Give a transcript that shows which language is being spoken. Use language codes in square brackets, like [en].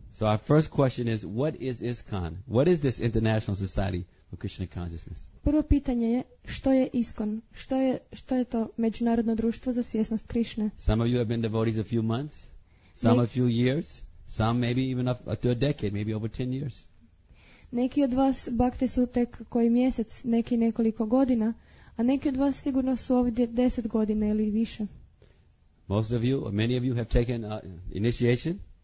[en] So our first question is, what is ISKCON? What is this International Society for Krishna Consciousness? [hr] Prvo pitanje je, što je ISKCON? Što je to Međunarodno društvo za svjesnost Krišne? [en] Some of you have been devotees a few months, some a few years, some maybe even up to a decade, maybe over 10 years. [hr] Neki od vas bhakte su tek koji mjesec, neki nekoliko godina, a neki od vas sigurno su ovdje 10 godina ili više. [en] Most of you, or many of you have taken initiation.